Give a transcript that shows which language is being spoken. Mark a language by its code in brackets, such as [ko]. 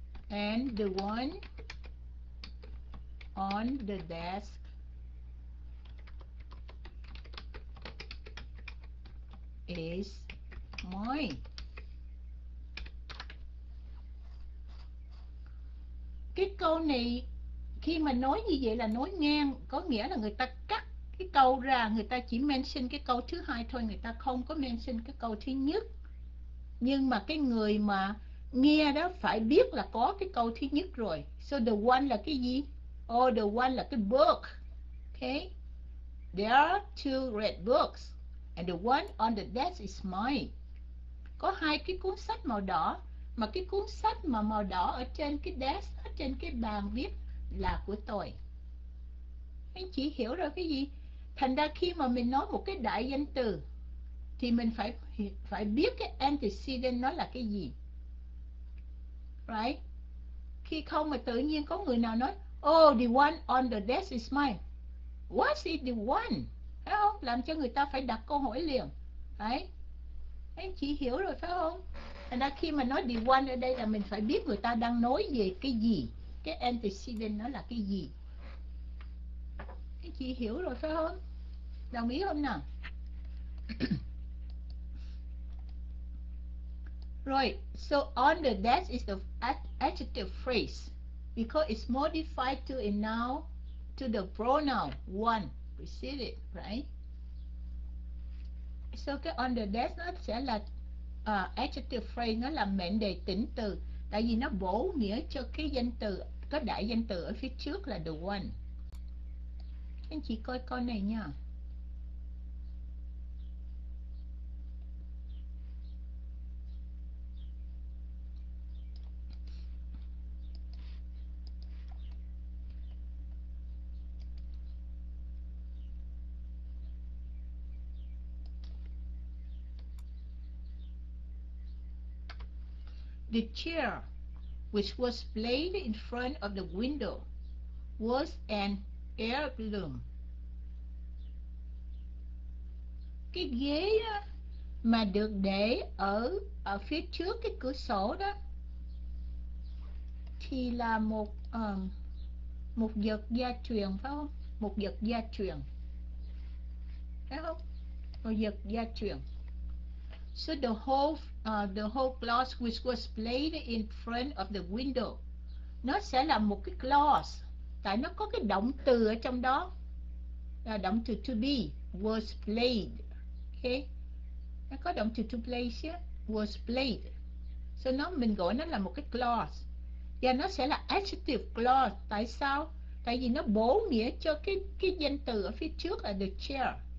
[en] And the one on the desk is mine. [vi] cái câu này khi mà nói như vậy là nói ngang, có nghĩa là người ta cắt cái câu ra, người ta chỉ mention cái câu thứ hai thôi, người ta không có mention cái câu thứ nhất. Nhưng mà cái người mà nghe đó phải biết là có cái câu thứ nhất rồi. So the one là cái gì? Oh, the one là cái book. Okay. [en] There are two red books and the one on the desk is mine. [vi] Có hai cái cuốn sách màu đỏ, mà cái cuốn sách mà màu đỏ ở trên cái desk, ở trên cái bàn viết là của tôi. Anh chị hiểu rồi cái gì? Thành ra khi mà mình nói một cái đại danh từ thì mình phải phải biết cái antecedent nó là cái gì. Right? Khi không mà tự nhiên có người nào nói [en] oh, the one on the desk is mine. What's it the one? [vi] Phải không? Làm cho người ta phải đặt câu hỏi liền. Đấy. Anh chị hiểu rồi phải không? Thành ra khi mà nói the one ở đây là mình phải biết người ta đang nói về cái gì, cái antecedent nó là cái gì. Anh chị hiểu rồi phải không? Đồng ý không nào? [en] Rồi, so on the desk is the adjective phrase because it's modified to a noun, to the pronoun one preceded, right? [vi] So cái [en] on the desk [vi] nó sẽ là adjective phrase, nó là mệnh đề tính từ, tại vì nó bổ nghĩa cho cái danh từ, có đại danh từ ở phía trước là the one. Anh chị coi con này nha. [en] The chair which was placed in front of the window was an heirloom. [vi] Cái ghế đó mà được để ở ở phía trước cái cửa sổ đó thì là một một vật gia truyền, phải không? Một vật gia truyền. Phải không? Một vật gia truyền. [en] So the whole glass which was placed in front of the window. [vi] Nó sẽ là một cái glass, tại nó có cái động từ ở trong đó. Là động từ to be, was placed. Okay. Nó có động từ to place, yeah? Was placed. So nó mình gọi nó là một cái clause. Và nó sẽ là adjective clause. Tại sao? Tại vì nó bổ nghĩa cho cái danh từ ở phía trước là the chair.